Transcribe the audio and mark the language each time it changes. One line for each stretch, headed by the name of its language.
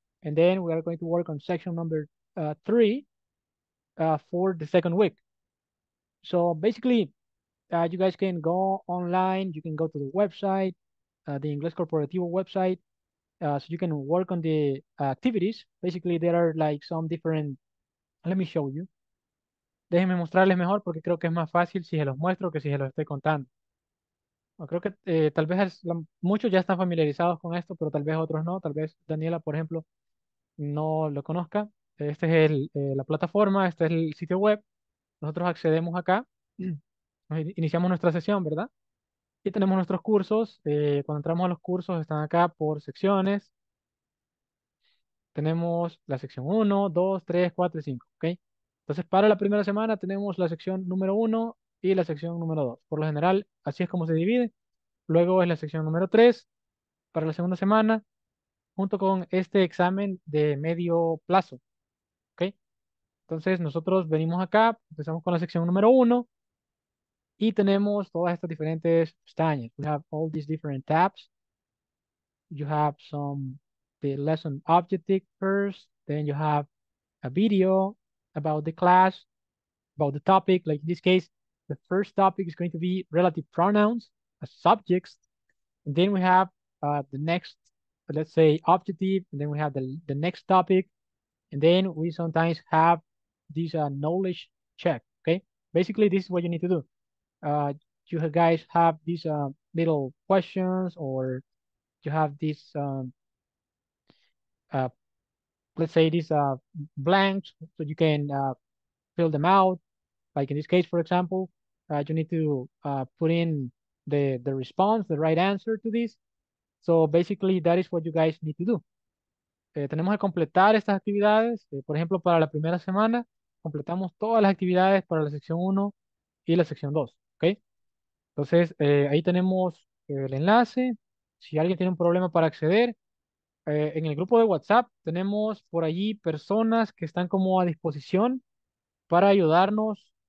English: And then we are going to work on section number three for the second week. So basically, you guys can go online, you can go to the website, the Inglés Corporativo website, so you can work on the activities. Basically, there are like some different, let me show you.
Spanish: Déjenme mostrarles mejor porque creo que es más fácil si se los muestro que si se los estoy contando. O creo que tal vez muchos ya están familiarizados con esto, pero tal vez otros no. Tal vez Daniela, por ejemplo, no lo conozca. Este es la plataforma, este es el sitio web. Nosotros accedemos acá, iniciamos nuestra sesión, ¿verdad? Y tenemos nuestros cursos. Cuando entramos a los cursos, están acá por secciones. Tenemos la sección 1, 2, 3, 4 y 5, ¿ok? Entonces, para la primera semana tenemos la sección número 1 y la sección número 2. Por lo general, así es como se divide. Luego es la sección número 3 para la segunda semana, junto con este examen de medio plazo. Entonces, nosotros venimos acá, empezamos con la sección número 1 y tenemos todas estas diferentes pestañas.
English: We have all these different tabs. You have some, the lesson objective first, then you have a video about the class, about the topic. Like in this case, the first topic is going to be relative pronouns as subjects. And then we have the next, let's say, objective. And then we have the next topic. And then we sometimes have this knowledge check. Okay. Basically, this is what you need to do. You guys have these little questions, or you have this, let's say these are blanks, so you can fill them out. Like in this case, for example, you need to put in the response, the right answer to this. So basically, that is what you guys need to do.
Spanish: Tenemos que completar estas actividades. Por ejemplo, para la primera semana, completamos todas las actividades para la sección 1 y la sección 2, ¿okay? Entonces, ahí tenemos el enlace. Si alguien tiene un problema para acceder, en el grupo de WhatsApp tenemos por allí personas que están como a disposición para ayudarnos